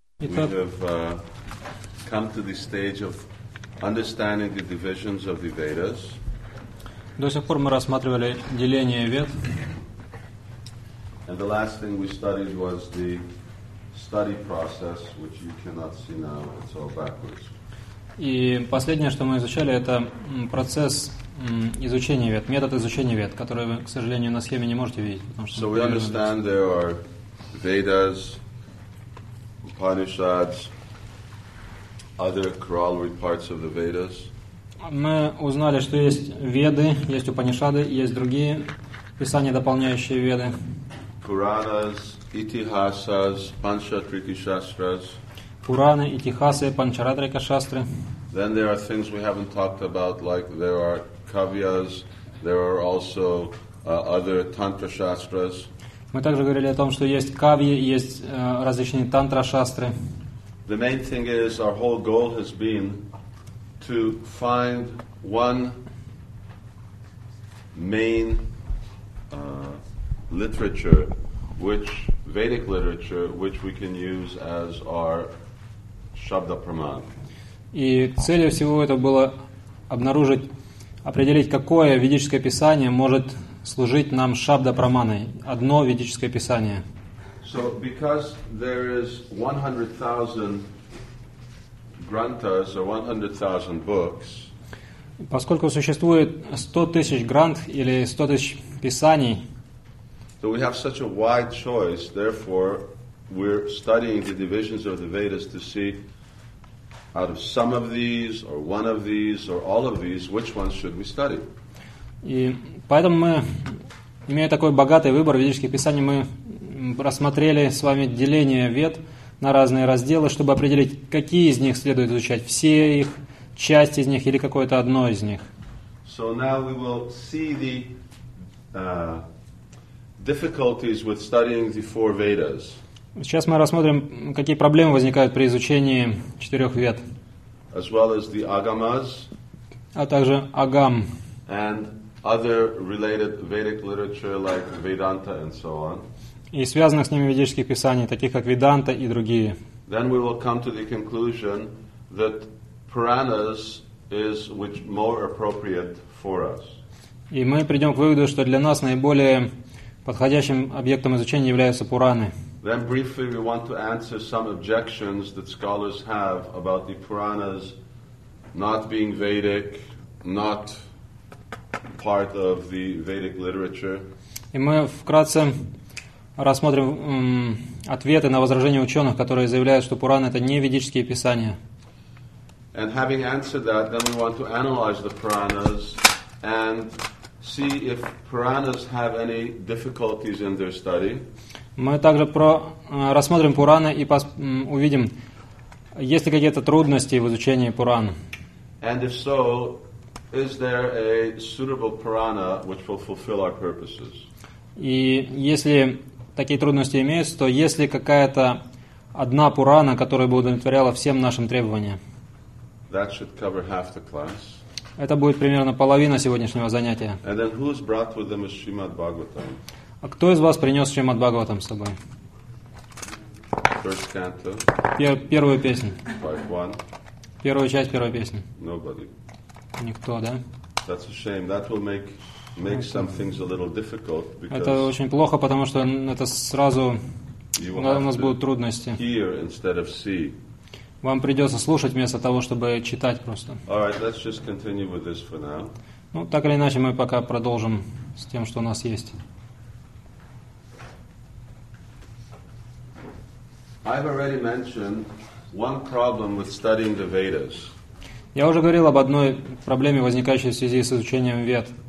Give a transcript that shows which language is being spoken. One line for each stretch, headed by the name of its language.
English: We have come to the stage of understanding the divisions of the Vedas.
Russian: До сих пор мы рассматривали деление Вед.
English: And the last thing we studied was the study process, which you cannot see now. It's all backwards.
Russian: И последнее, что мы изучали, это процесс изучения Вед, метод изучения Вед, который вы, к сожалению, на схеме не можете видеть, потому что.
English: So we understand there are Vedas. Upanishads, other corollary parts of the Vedas.
Russian: Мы узнали, что есть Веды, есть Упанишады, есть другие писания, дополняющие Веды.
English: Puranas, Itihasas, Panchatrika Shastras.
Russian: Пураны, Итихасы, Панчаратрика Шастры.
English: Then there are things we haven't talked about, like there are Kavyas, there are also other Tantra Shastras.
Russian: Мы также говорили о том, что есть кавьи, есть различные тантра-шастры.
English: The main thing is our whole goal has been to find one main literature, which Vedic literature, which we can use as our shabda praman.
Russian: И целью всего этого было обнаружить, определить, какое ведическое писание может служить нам шабда праманой, одно ведическое писание.
English: So because there is 100,000 grantas or 100,000 books.
Russian: Поскольку существует 100,000 грант или 100,000 писаний.
English: So we have such a wide choice, therefore we're studying the divisions of the Vedas to see out of some of these or one of these or all of these which ones should we study.
Russian: И поэтому мы, имея такой богатый выбор ведических писаний, мы рассмотрели с вами деление Вед на разные разделы, чтобы определить, какие из них следует изучать, все их, часть из них или какое-то одно из них.
English: So now we will see the difficulties with studying the four Vedas.
Russian: Сейчас мы рассмотрим, какие проблемы возникают при изучении четырех Вед.
English: As well as the Agamas.
Russian: А также Агам.
English: And other related Vedic literature like Vedanta and so on.
Russian: И связанных с ними ведических писаний, таких как Веданта и другие.
English: Then we will come to the conclusion that Puranas is which more appropriate for us.
Russian: И мы придем к выводу, что для нас наиболее подходящим объектом изучения являются Пураны.
English: Then briefly we want to answer some objections that scholars have about the Puranas not being Vedic, not part of the Vedic literature.
Russian: И мы вкратце рассмотрим ответы на возражения ученых, которые заявляют, что Пураны это не ведические писания.
English: And having answered that, then we want to analyze the Puranas and see if Puranas have any difficulties in their study.
Russian: Мы также рассмотрим Пураны и увидим, есть ли какие-то трудности в изучении Пуран.
English: And if so, is there a suitable Purana which will fulfill our purposes?
Russian: И если такие трудности имеются, то есть ли какая-то одна Пурана, которая бы удовлетворяла всем нашим требованиям?
English: That should cover half the class.
Russian: Это будет примерно половина сегодняшнего занятия.
English: And then who's brought with them a Shrimad Bhagavatam?
Russian: А кто из вас принес Шримад Бхагаватам с собой?
English: First canto.
Russian: Первую песню.
English: Part one.
Russian: Первую часть первой песни.
English: Nobody.
Russian: Никто, да?
English: That's a shame. That will make some things a little difficult because.
Russian: Это очень плохо, потому что это сразу у нас будут трудности.
English: Hear instead of see.
Russian: Вам придется слушать вместо того, чтобы читать просто.
English: All right, let's just continue with this for now.
Russian: Ну, так или иначе, мы пока продолжим с тем, что у нас есть.
English: I've already mentioned one problem with studying the Vedas.
Russian: Я уже говорил об одной проблеме, возникающей в связи с изучением Вед.